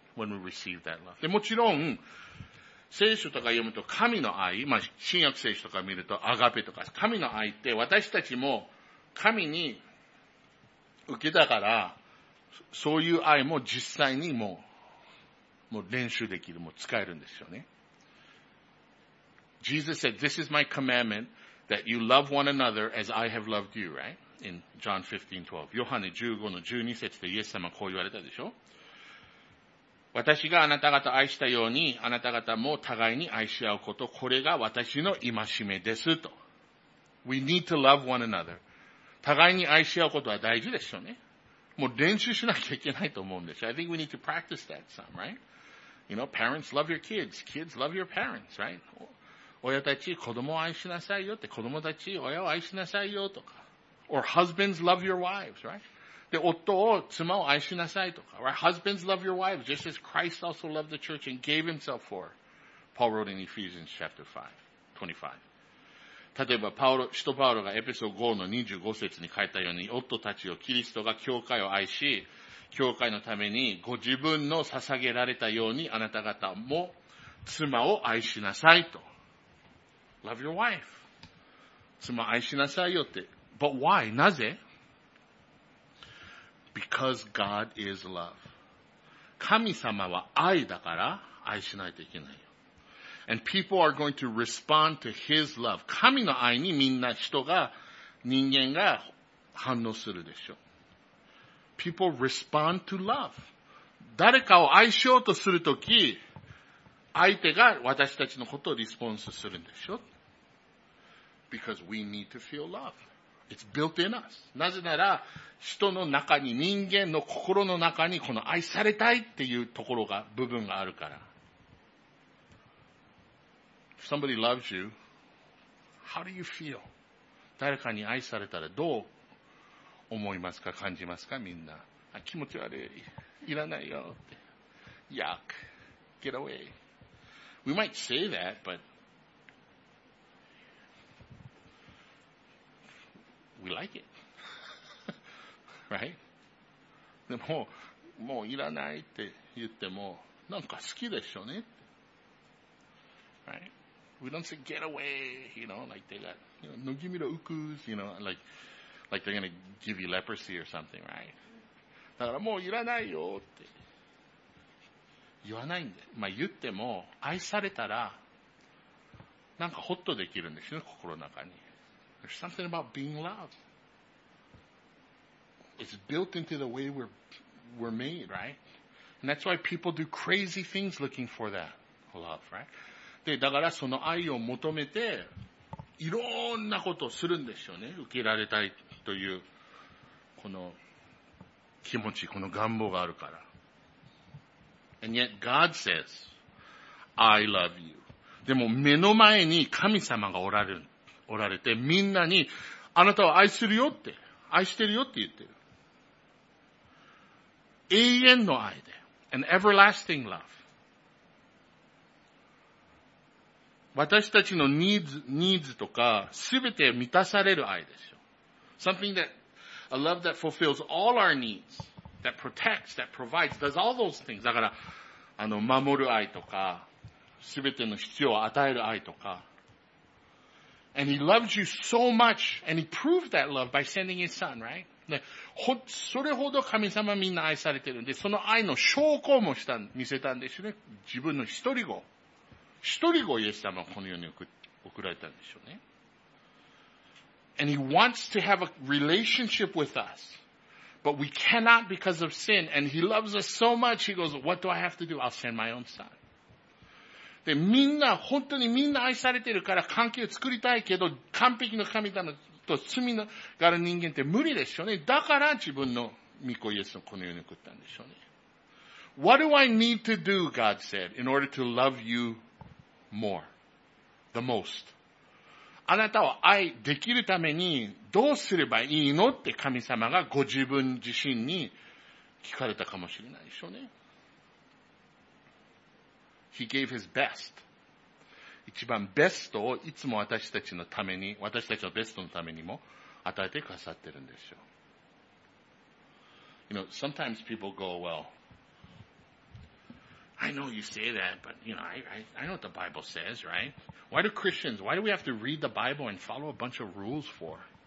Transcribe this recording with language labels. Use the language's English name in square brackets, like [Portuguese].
[English] When we receive that love. [Japanese] で、もちろん、聖書とか読むと神の愛、まあ、新約聖書とか見るとアガペとか、神の愛って私たちも神に受けたから、そういう愛も実際にもう練習できる、もう使えるんですよね。 [English] Jesus said, This is my commandment, that you love one another as I have loved you, right? In John 15:12. [Japanese] ヨハネ15の12節でイエス様はこう言われたでしょ。私があなた方愛したように、あなた方も互いに愛し合うこと、これが私の戒めですと。 [English] We need to love one another. [Japanese] 互いに愛し合うことは大事ですよね。もう練習しなきゃいけないと思うんですよ。 [English] I think we need to practice that some, right? You know, parents love your kids. Kids love your parents, right? [Japanese] 親たち、子供を愛しなさいよって、子供たち、親を愛しなさいよとか。 [English] Or husbands love your wives, right? [Japanese] で、夫を、妻を愛しなさいとか。 [English] Or husbands love your wives, just as Christ also loved the church and gave himself for her. Paul wrote in Ephesians chapter 5:25. [Japanese] 例えば、使徒パウロがエペソ5の25節に書いたように、夫たちをキリストが教会を愛し、教会のためにご自分の捧げられたように、あなた方も妻を愛しなさいと。 [English] Love your wife. [Japanese] 妻を愛しなさいよって。 [English] But why? [Japanese] なぜ? [English] Because God is love. [Japanese] 神様は愛だから愛しないといけない。 [English] And people are going to respond to His love. [Japanese] 神の愛にみんな人間が反応するでしょう。 [English] People respond to love. [Japanese] 誰かを愛しようとするとき、相手が私たちのことをリスポンスするんでしょう。 [English] Because we need to feel love. It's built in us. [Japanese] なぜなら、人の中に、人間の心の中にこの愛されたいっていうところが、部分があるから。 [English] If somebody loves you, how do you feel? [Japanese] 誰かに愛されたらどう思いますか感じますかみんな。あ、気持ち悪い。いらないよって。 [English] Yuck. Get away. We might say that, but we like it. right? [Japanese] でも、もういらないって言っても、なんか好きでしょうね。 [English] Right? We don't say get away, you know, like they got, you know, no give me the ukus, you know, like they're going to give you leprosy or something, right? [Japanese] だからもういらないよって言わないんで、まあ言っても愛されたらなんかホッとできるんですよ、心の中に。 [English] There's something about being loved. It's built into the way we're made, right? And that's why people do crazy things looking for that love, right? [Japanese] で、だからその愛を求めて、いろんなことをするんですよね。受けられたいという、この気持ち、この願望があるから。 [English] And yet God says, I love you. [Japanese] でも目の前に神様がおられて、みんなに、あなたを愛するよって、愛してるよって言ってる。永遠の愛で、 [English] an everlasting love. [Japanese] 私たちのニーズとか、すべて満たされる愛ですよ。 [English] Something that, a love that fulfills all our needs, that protects, that provides, does all those things. [Japanese] だから、守る愛とか、すべての必要を与える愛とか。 [English] And he loves you so much, and he proved that love by sending his son, right? [Japanese] で、それほど神様みんな愛されてるんで、その愛の証拠も見せたんですよね。自分の一人子イエス様はこの世に送られたんでしょうね。 [English] And he wants to have a relationship with us. But we cannot because of sin. And he loves us so much, he goes, what do I have to do? I'll send my own son. [Japanese] で、みんな、本当にみんな愛されてるから関係を作りたいけど、完璧な神様と罪がある人間って無理でしょうね。だから自分の御子イエスをこの世に送ったんでしょうね。 [English] What do I need to do, God said, in order to love you? More. The most. [Japanese] あなたを愛できるためにどうすればいいのって神様がご自分自身に聞かれたかもしれないでしょうね。 [English] He gave his best. [Japanese] 一番ベストをいつも私たちのために、私たちのベストのためにも与えてくださってるんですよ。 [English] You know, sometimes people go, well,I know you say that, but you know, I know what the Bible says, right? Why do Christians, why do we have to read the Bible and follow a bunch of rules for?